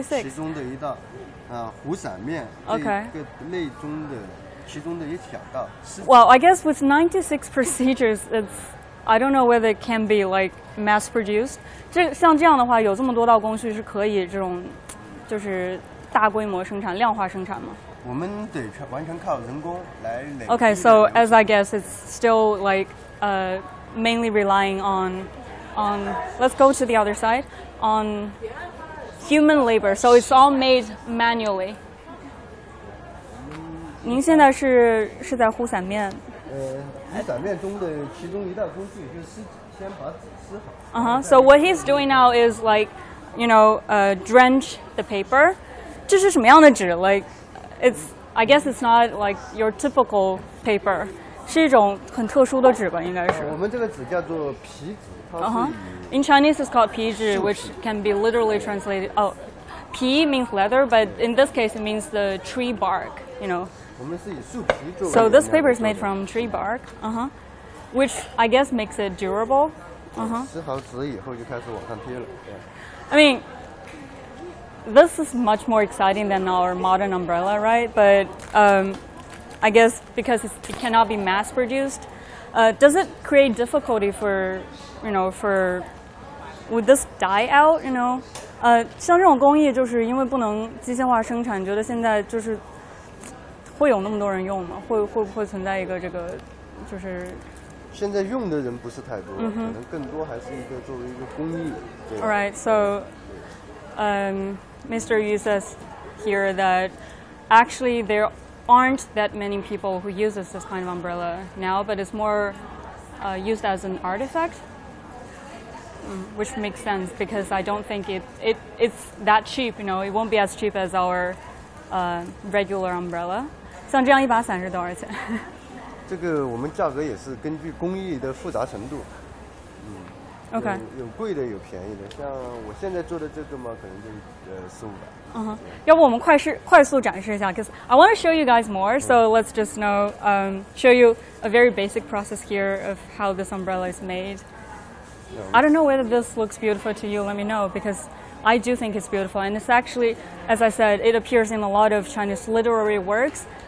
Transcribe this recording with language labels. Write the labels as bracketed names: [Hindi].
[Chinese] 96，96。其中的一道，胡伞面。Okay。这个内中的其中的一小道。 [English] Well, I guess with 96 procedures, it's I don't know whether it can be like mass produced. [Chinese] 这像这样的话，有这么多道工序是可以这种，就是大规模生产、量化生产吗？我们得完全靠人工来。 [English] Okay, so as I guess, it's still like mainly relying on let's go to the other side, on human labor. So it's all made manually. [Chinese] 您现在是在呼伞面。 [English] So what he's doing now is like, you know, drench the paper. [Chinese] 这是什么样的纸? [English] Like, it's, I guess it's not like your typical paper. [Chinese] 是一种很特殊的纸吧，应该是。我们这个纸叫做皮纸。 [English] In Chinese, it's called 皮纸, which can be literally translated. Oh, 皮 means leather, but in this case, it means the tree bark. You know. So this paper is made from tree bark, which I guess makes it durable. I mean, this is much more exciting than our modern umbrella, right? But I guess because it cannot be mass produced, does it create difficulty for, you know, for, would this die out, you know? [Chinese] 像这种工艺就是因为不能机械化生产，觉得现在就是会有那么多人用吗？会不会存在一个这个，就是？现在用的人不是太多，可能更多还是一个作为一个工艺。 [English] All right, so, Mr. Yu says here that actually there aren't that many people who use this kind of umbrella now, but it's more used as an artifact, which makes sense because I don't think it's that cheap, you know, it won't be as cheap as our regular umbrella. [Chinese] 像这样一把伞是多少钱？这个我们价格也是根据工艺的复杂程度， [English] Okay. [Chinese] 有贵的有便宜的，像我现在做的这个嘛，可能就四五百。要不我们快速展示一下 [English] ，because I want to show you guys more. So let's just know, show you a very basic process here of how this umbrella is made. I don't know whether this looks beautiful to you. Let me know because I do think it's beautiful, and it's actually, as I said, it appears in a lot of Chinese literary works.